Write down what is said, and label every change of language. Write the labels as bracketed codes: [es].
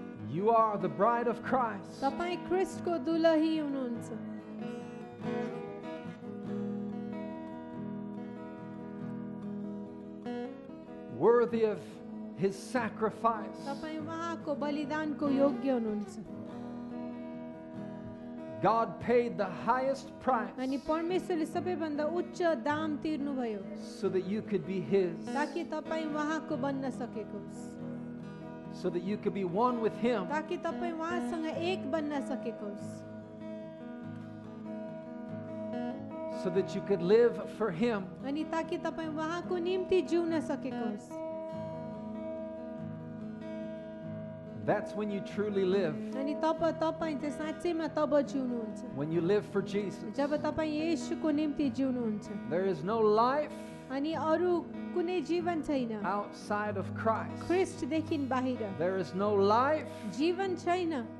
[en] You are the bride of Christ. [ne] Tapai Christ ko dulahi hununcha. [en] Worthy of his sacrifice. [ne] तपाई उहाँको बलिदानको योग्य हुनुहुन्छ. [en] God paid the highest price. [ne] अनि परमेश्वरले सबैभन्दा उच्च दाम तिर्नुभयो. [en] So that you could be his. [ne] ताकि तपाई उहाँको बन्न सकेकोस्. [en] So that you could be one with him. [ne] ताकि तपाई उहाँसँग एक बन्न सकेकोस्. [en] So that you could live for him. [ne] अनि ताकि तपाई उहाँको निम्ति जिउन सकेकोस्. [en] That's when you truly live. [ne] अनि तपाई चाहिँ साच्चैमा तब जिउनुहुन्छ. [en] When you live for Jesus. [ne] जब तपाई येशूको निम्ति जिउनुहुन्छ. [en] There is no life. [ne] अनि अरु कुनै जीवन छैन. [en] Outside of Christ. [ne] क्रिस्ट देखिन बाहिर. [en] There is no life. [ne] जीवन छैन.